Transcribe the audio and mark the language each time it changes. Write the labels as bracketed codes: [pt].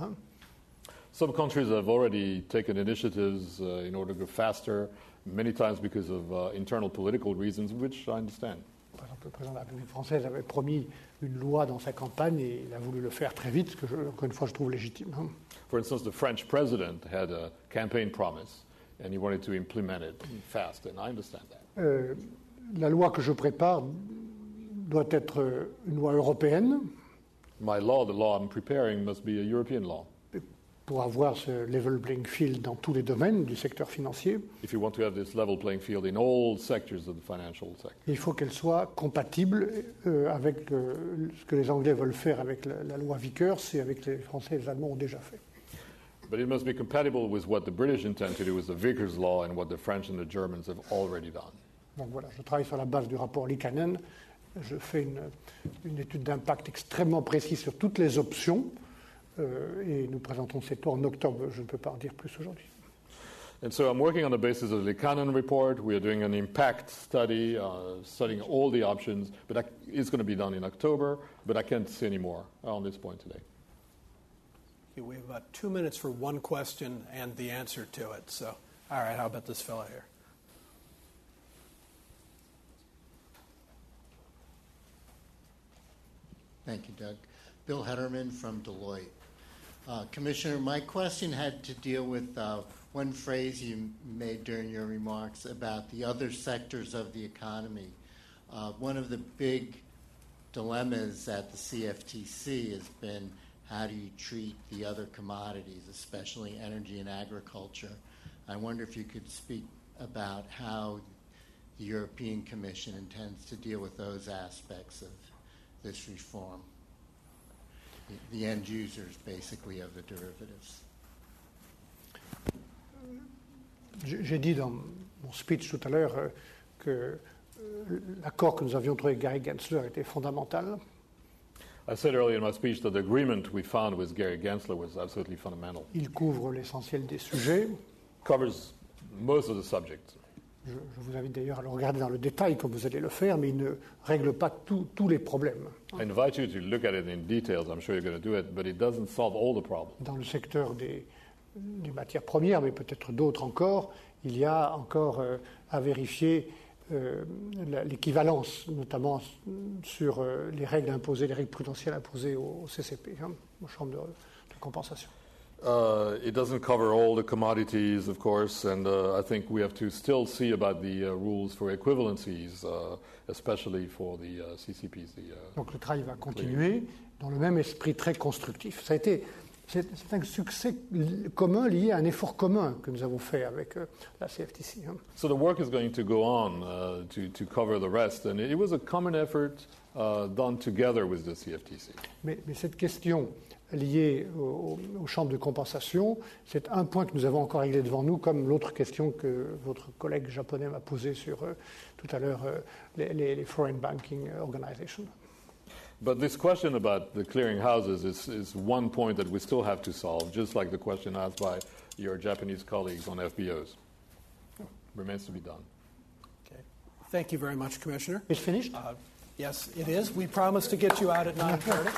[en] Hein. Some countries have already taken initiatives in order to go faster, many times because of internal political reasons, which I understand. [fr] Par exemple, le président de la République française avait promis une loi dans sa campagne et il a voulu le faire très vite, ce que, encore une fois, je trouve légitime. Hein. [en] For instance, the French president had a campaign promise and he wanted to implement it fast, and I understand that. [fr] La loi que je prépare doit être une loi européenne. [en] My law, the law I'm preparing, must be a European law. [fr] Pour avoir ce [en] level playing field [fr] dans tous les domaines du secteur financier. [en] If you want to have this level playing field in all sectors of the financial sector. [fr] Il faut qu'elle soit compatible avec ce que les Anglais veulent faire avec la loi Vickers et avec les Français et les Allemands ont déjà fait. [en] But it must be compatible with what the British intend to do with the Vickers law and what the French and the Germans have already done. [fr] Donc voilà, je travaille sur la base du rapport Lee Cannon je fais une étude d'impact extrêmement précise sur toutes les options et nous présenterons cette loi en octobre. Je ne peux pas en dire plus aujourd'hui. [en] And so I'm working on the basis of the Liikanen report. We are doing an impact study, studying all the options, but that is going to be done in October, but I can't say any more on this point today. Okay, we have about 2 minutes for one question and the answer to it. So, all right, how about this fellow here? Thank you, Doug. Bill Hederman from Deloitte. Commissioner, my question had to deal with one phrase you made during your remarks about the other sectors of the economy. One of the big dilemmas at the CFTC has been how do you treat the other commodities, especially energy and agriculture. I wonder if you could speak about how the European Commission intends to deal with those aspects of this reform, the end users, basically, of the derivatives. [fr] J'ai dit dans mon speech tout à l'heure que l'accord que nous avions trouvé avec Gary Gensler était fondamental. [en] I said earlier in my speech that the agreement we found with Gary Gensler was absolutely fundamental. [fr] Il couvre l'essentiel des sujets. [en] Covers most of the subjects. [fr] Je vous invite d'ailleurs à le regarder dans le détail comme vous allez le faire, mais il ne règle pas tous les problèmes. [en] I invite you to look at it in details. I'm sure you're going to do it, but it doesn't solve all the problems. [fr] Dans le secteur des matières premières, mais peut-être d'autres encore, il y a encore à vérifier l'équivalence, notamment sur les règles imposées, les règles prudentielles imposées au CCP, hein, aux chambres de compensation. [en] It doesn't cover all the commodities, of course, and I think we have to still see about the rules for equivalencies, especially for the CCPs. [fr] Donc le travail va continuer dans le même esprit très constructif. Ça a été... C'est un succès commun lié à un effort commun que nous avons fait avec la CFTC. [en] So the work is going to go on to cover the rest, and it was a common effort done together with the CFTC. [fr] Mais cette question liée aux chambres de compensation, c'est un point que nous avons encore réglé devant nous, comme l'autre question que votre collègue japonais m'a posée sur tout à l'heure les [en] foreign banking organizations. But this question about the clearing houses is one point that we still have to solve, just like the question asked by your Japanese colleagues on FBOs. Remains to be done. Okay. Thank you very much, Commissioner. It's finished? Yes, it is. We promised to get you out at 9:30.